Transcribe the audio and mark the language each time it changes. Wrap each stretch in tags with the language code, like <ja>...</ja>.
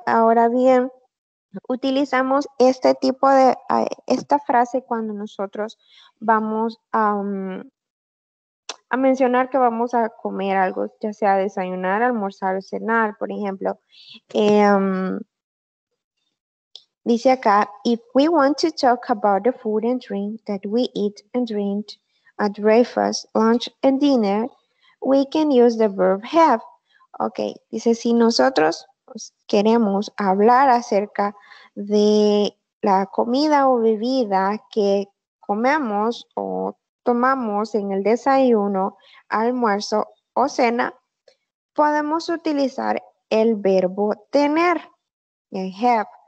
<es>Ahora bien, utilizamos este tipo de, esta frase cuando nosotros vamos a mencionar que vamos a comer algo, ya sea desayunar, almorzar o cenar, por ejemplo. Dice acá,</es> <en>if we want to talk about the food and drink that we eat and drink at breakfast, lunch and dinner, we can use the verb have.</en> <es>Ok, dice, si nosotros queremos hablar acerca de la comida o bebida que comemos o tomamos en el desayuno, almuerzo o cena, podemos utilizar el verbo tener, el have.</es>